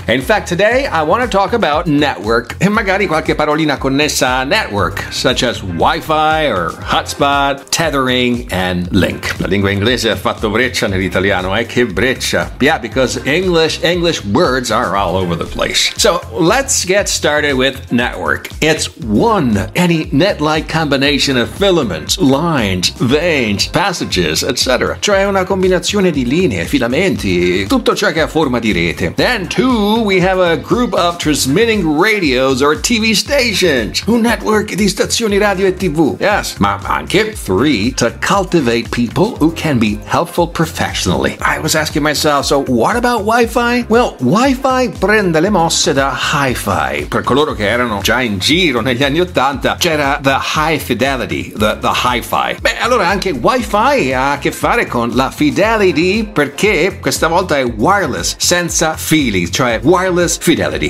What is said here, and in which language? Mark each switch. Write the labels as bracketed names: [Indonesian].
[English] And in fact, today I want to talk about network, [Italian] e magari qualche parolina connessa a network, [English] such as Wi-Fi, or hotspot, tethering, and link. [Italian] La lingua inglese ha fatto breccia nell'italiano, eh? Che breccia. [English] Yeah, because English words are all over the place. So let's get started with network. It's one, any net-like combination of filaments, lines, veins, passages, etc. [Italian] Cioè una combinazione di linee, filamenti, tutto ciò che ha forma di rete. [English] And two, we have a group of transmitting radios or TV stations. [Italian] Un network di stazioni radio e TV. [English] Yes, [Italian] ma anche [English] three, to cultivate people who can be helpful professionally. I was asking myself, so what about Wi-Fi? [Italian] Well, Wi-Fi prende le mosse da Hi-Fi. Per coloro che erano già in giro negli anni 80, c'era [English] the high fidelity, the Hi-Fi. [Italian] Beh, allora anche Wi-Fi ha a che fare con la fidelity, perché questa volta è wireless, senza fili, cioè wireless fidelity.